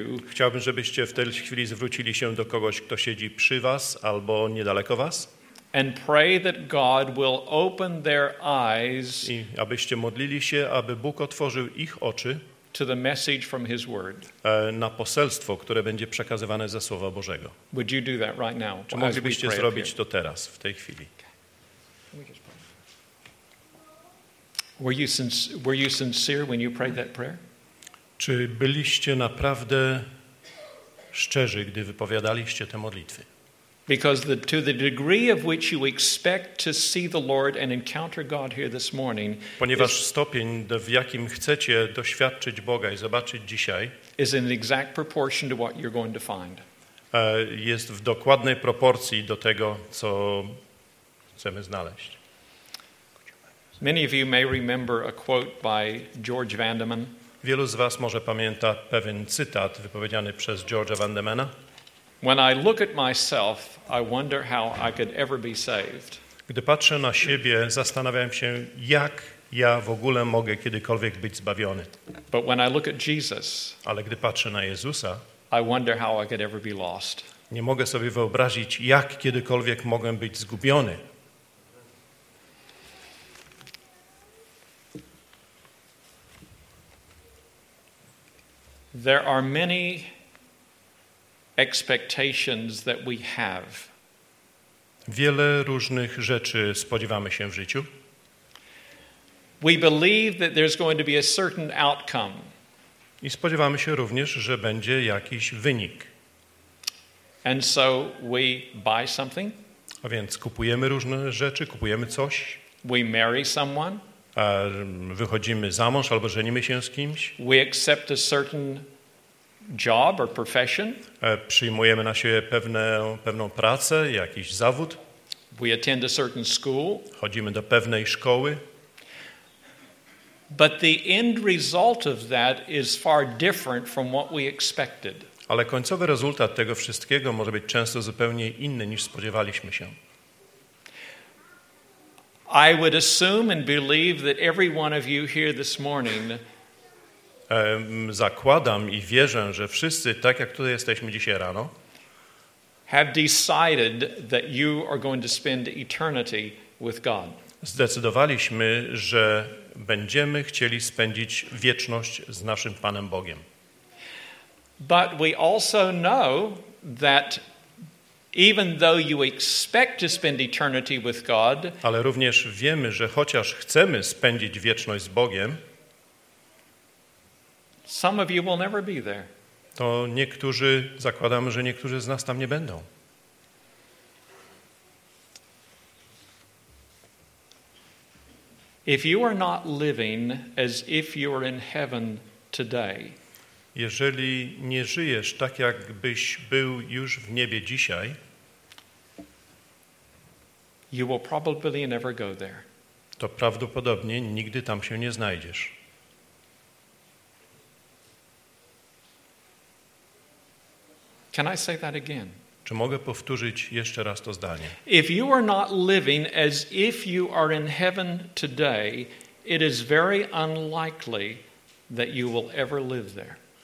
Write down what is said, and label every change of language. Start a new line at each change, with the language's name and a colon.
Polish: Chciałbym, żebyście w tej chwili zwrócili się do kogoś, kto siedzi przy was albo niedaleko was.
English: And pray that God will open their eyes.
Polish: I abyście modlili się, aby Bóg otworzył ich oczy.
English: To the message from His Word.
Polish: Na poselstwo, które będzie przekazywane ze Słowa Bożego.
English: Would you do that right now?
Polish: Czy moglibyście zrobić to teraz, w tej chwili?
English: Were you sincere when you prayed that prayer?
Polish: Czy byliście naprawdę szczerzy, gdy wypowiadaliście te modlitwy?
English: Because to the degree of which you expect to see the Lord and encounter God here this morning,
Polish: ponieważ stopień, w jakim chcecie doświadczyć Boga i zobaczyć dzisiaj,
English: is in exact proportion to what you're going to find.
Polish: Jest w dokładnej proporcji do tego, co chcemy znaleźć.
English: Many of you may remember a quote by George Vandeman.
Polish: Wielu z was może pamięta pewien cytat wypowiedziany przez George'a Vandemana.
English: When I look at myself, I wonder how I could ever be saved.
Polish: Gdy patrzę na siebie, zastanawiam się, jak ja w ogóle mogę kiedykolwiek być zbawiony.
English: But when I look at Jesus,
Polish: ale gdy patrzę na Jezusa,
English: I wonder how I could ever be lost.
Polish: Nie mogę sobie wyobrazić, jak kiedykolwiek mogę być zgubiony.
English: There are many expectations that we have.
Polish: Wiele różnych rzeczy spodziewamy się w życiu.
English: We believe that there's going to be a certain outcome.
Polish: I spodziewamy się również, że będzie jakiś wynik.
English: And so we buy something.
Polish: A więc kupujemy różne rzeczy, kupujemy coś.
English: We marry someone.
Polish: A wychodzimy za mąż albo żenimy się z kimś.
English: We accept a certain job or profession.
Polish: Przyjmujemy na siebie pewną pracę, jakiś zawód.
English: We attend a certain school.
Polish: Chodzimy do pewnej szkoły.
English: But the end result of that is far different from what we expected.
Polish: Ale końcowy rezultat tego wszystkiego może być często zupełnie inny niż spodziewaliśmy się.
English: I would assume and believe that every one of you here this morning.
Polish: Zakładam i wierzę, że wszyscy, tak jak tutaj jesteśmy dzisiaj rano,
English: have decided that you are going to spend eternity with God.
Polish: Zdecydowaliśmy, że będziemy chcieli spędzić wieczność z naszym Panem Bogiem.
English: But we also know that Even though you expect to spend eternity with God,
Polish: ale również wiemy, że chociaż chcemy spędzić wieczność z Bogiem,
English: some of you will never be there.
Polish: To niektórzy, zakładam, że niektórzy z nas tam nie będą.
English: If you are not living as if you are in heaven today,
Polish: jeżeli nie żyjesz tak, jakbyś był już w niebie dzisiaj,
English: you will probably never go there.
Polish: To prawdopodobnie nigdy tam się nie znajdziesz.
English: Can I say that again?
Polish: Czy mogę powtórzyć jeszcze raz to zdanie?
English: If you are not living as if you are in heaven today, it is very unlikely that you will ever live there.